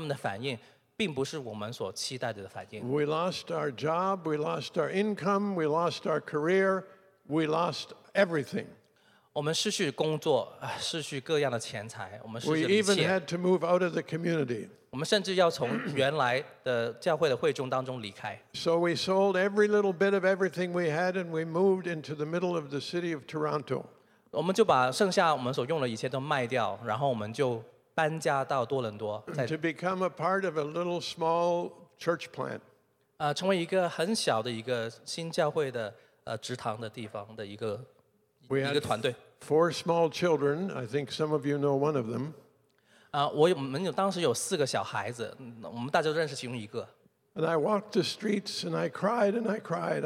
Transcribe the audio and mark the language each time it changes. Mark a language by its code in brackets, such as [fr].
[zh] 但是我们的家人、自己的家人、朋友、教会的弟兄姐妹，他们的回应、他们的反应，并不是我们所期待的反应。 [en] We lost our job, we lost our income, we lost our career, we lost everything. [zh] 我们失去工作，失去各样的钱财，我们失去一切。 [en] We even had to move out of the community. [zh] 我们甚至要从原来的教会的会众当中离开。 [en] So we sold every little bit of everything we had and we moved into the middle of the city of Toronto. [zh] 我们就把剩下我们所用的一切都卖掉，然后我们就搬家到多伦多。To [en] become a part of a little small church plant. [zh] 成为一个很小的一个新教会的职堂的地方的一个团队。 [en] Four small children, I think some of you know one of them. [zh] 我们当时有四个小孩子，我们大家都认识其中一个。 [en] And I walked the streets and I cried and I cried.